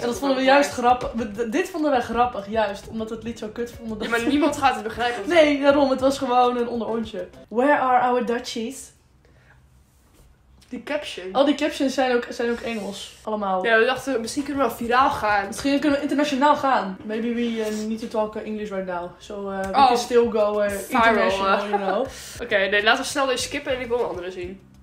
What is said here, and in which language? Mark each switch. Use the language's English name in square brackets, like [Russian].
[Dutch] En dat vonden we juist grappig. Dit vonden wij grappig, juist. Omdat het lied zo kut vond. Ja, maar niemand gaat het begrijpen. Nee, daarom. Het was gewoon een onderontje. [English] Where are our Dutchies? [Dutch] Die caption. Al die captions zijn ook Engels. Allemaal. Ja, we dachten, misschien kunnen we wel viraal gaan. Misschien kunnen we internationaal gaan. [English] Maybe we need to talk English right now. So we can still go international, you know. [Dutch] Oké, nee, laten we snel deze skippen en ik wil een andere zien.